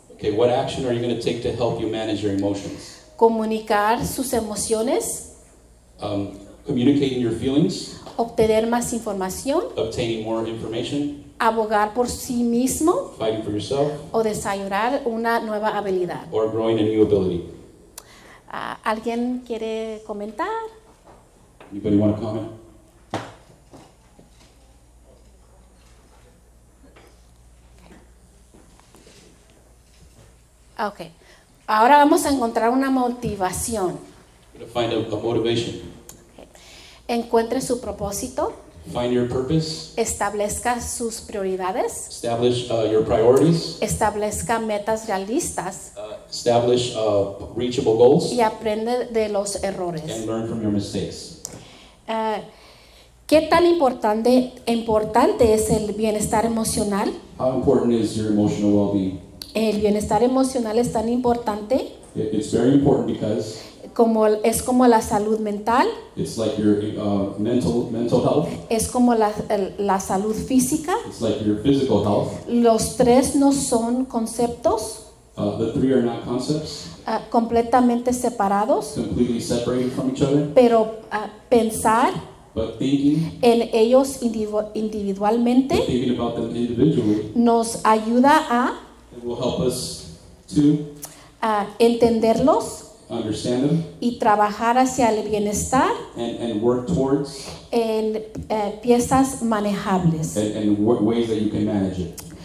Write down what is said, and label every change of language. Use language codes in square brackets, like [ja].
[en] Okay, what action are you going to take to help you manage your emotions? [es] Comunicar sus emociones. [en] Communicating your feelings. [es] Obtener más información. [en] Obtaining more information. [es] Abogar por sí mismo. [en] Fighting for yourself. [es] O desarrollar una nueva habilidad. [en] Or growing a new ability. [es] ¿Alguien quiere comentar? [en] Anybody want to comment? Okay. [es] Ahora vamos a encontrar una motivación. [en] To find a motivation. Okay. [es] Encuentre su propósito. [en] Find your purpose. [es] Establezca sus prioridades. [en] Establish your priorities. [es] Establezca metas realistas. [en] Establish reachable goals. [es] Y aprende de los errores. [en] And learn from your mistakes. [es] ¿Qué tan importante es el bienestar emocional? [en] How important is your emotional well-being? [es] El bienestar emocional es tan importante. [en] It's very important because. [es] Como, es como la salud mental. [en] It's like your, mental health. [es] Es como la salud física. [en] It's like your physical health. [es] Los tres no son conceptos. [en] The three are not concepts. [es] Completamente separados. [en] Completely separated from each other. [es] Pero pensar. [en] But thinking. [es] En ellos individualmente. [en] But thinking about them individually. [es] Nos ayuda a. [en] It will help us to. [es] Entenderlos. [en] Understand them, [es] y trabajar hacia el bienestar [en] and work towards [es] en piezas manejables [en] and ways that you can manage it.